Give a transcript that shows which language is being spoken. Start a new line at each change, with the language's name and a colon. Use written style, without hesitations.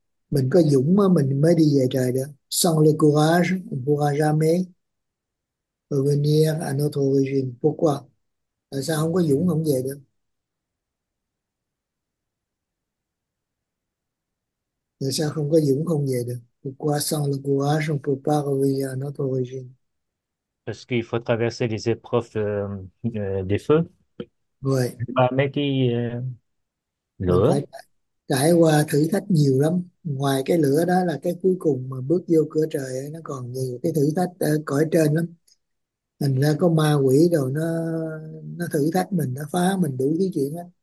Vietnamese: Mình có dũng mà mình mới đi về trời được.
French: Sans le courage, on ne pourra jamais revenir à notre origine. Pourquoi?
Vietnamese: Tại sao không có dũng không về được? Tại sao không có dũng không về được?
French: Pourquoi sans le courage, on ne peut pas revenir à notre origine? Parce qu'il faut traverser les épreuves des feux. Ouais. Bah, mais
Vietnamese: Mình lửa. phải trải qua thử thách nhiều lắm. Ngoài cái lửa đó là cái cuối cùng mà bước vô cửa trời ấy, nó còn nhiều cái thử thách ở cõi trên lắm. Thành ra có ma quỷ rồi nó thử thách mình, nó phá mình đủ cái chuyện đó.